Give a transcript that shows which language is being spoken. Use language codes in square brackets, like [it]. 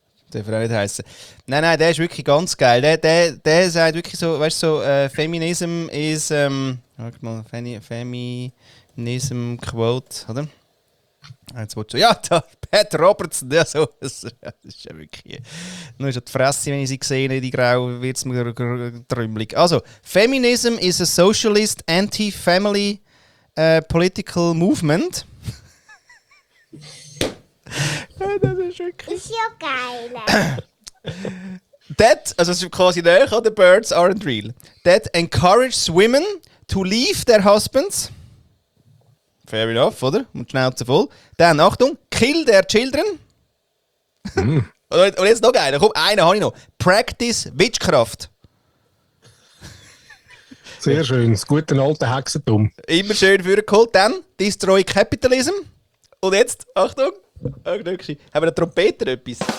[de] Darf er auch nicht heissen. Nein, nein, der ist wirklich ganz geil. Der sagt wirklich so, weißt du, so, Feminism ist. Warte mal, Feminism Quote, oder? Jetzt wird so, ja, da, Pat Robertson, der so. Das ist ja wirklich. Nur schon die Fresse, wenn ich sie gesehen habe, die Grau, wird es mir trümmelig. [en] Also, Feminism is a socialist anti-family political movement. [de] Das ist wirklich. Ist ja geil. That, also es ist quasi der, [en] the birds aren't real. That encourages women to leave their husbands. Fair enough, [de] oder? Und Schnauze voll. Dann, Achtung, [en] kill their children. [de] Und jetzt noch einer, komm, einen habe ich noch. [en] Practice Witchcraft. [de] Sehr schön, das gute alte Hexentum. Immer schön vorgeholt. Dann, [en] destroy capitalism. [de] Und jetzt, Achtung, haben wir eine Trompete oder etwas?